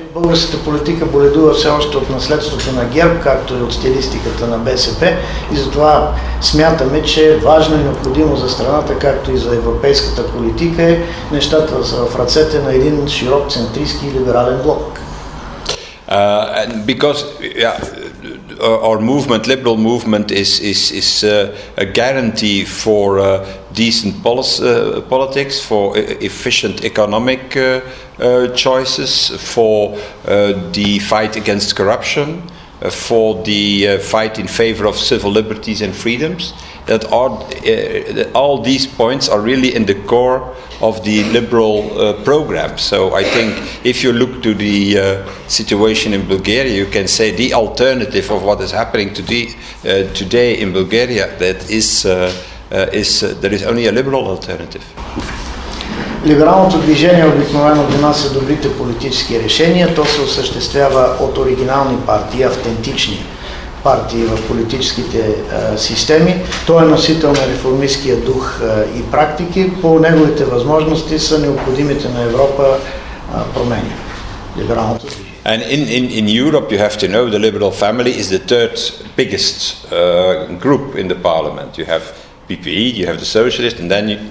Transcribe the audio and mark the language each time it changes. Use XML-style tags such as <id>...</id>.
<bg>Българската политика боледува все още от наследството на ГЕРБ, както и от стилистиката на БСП, и затова смятаме, че е важно и необходимо за страната, както и за европейската политика, е нещата са в ръцете на един широк центристски либерален блок.</bg> <en>And because our movement, liberal movement, is a guarantee for decent politics, for efficient economic choices, for the fight against corruption, for the fight in favor of civil liberties and freedoms. That all these points are really in the core of the liberal program. So I think if you look to the situation in Bulgaria, you can say the alternative of what is happening today in Bulgaria, that is there is only a liberal alternative.</en> <bg>Либералното движение обикновено донася добрите политически решения. То се осъществява от оригинални партии, автентични партии в политическите системи. Той е носител на реформистския дух и практики. По неговите възможности са необходимите на Европа промени. Либералното движение.</bg> <en>And in Europe you have to know the liberal family is the third biggest group in the parliament. You have PPE, you have the socialist, and then</en>